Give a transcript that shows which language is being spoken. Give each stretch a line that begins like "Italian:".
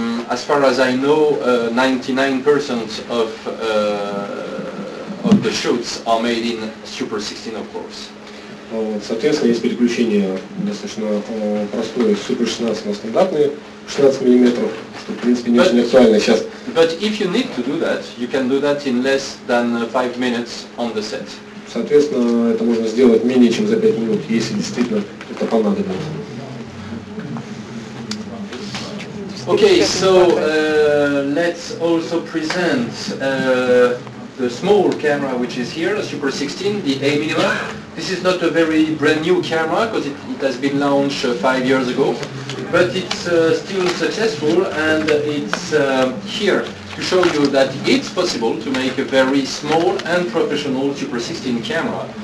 English: As far as I know, 99% of the shoots are made in super 16, of course.
Russian: Соответственно, есть переключение достаточно простое с супер 16 на стандартные 16 миллиметров, что в принципе не очень актуально сейчас.
English: But if you need to do that, you can do that in less than 5 minutes on the set.
Russian: Соответственно, это можно сделать менее чем за 5 минут, если действительно это понадобится.
English: Okay, so let's also present the small camera which is here, the Super 16, the A Minima. This is not a very brand new camera because it has been launched 5 years ago. But it's still successful, and it's here to show you that it's possible to make a very small and professional Super 16 camera.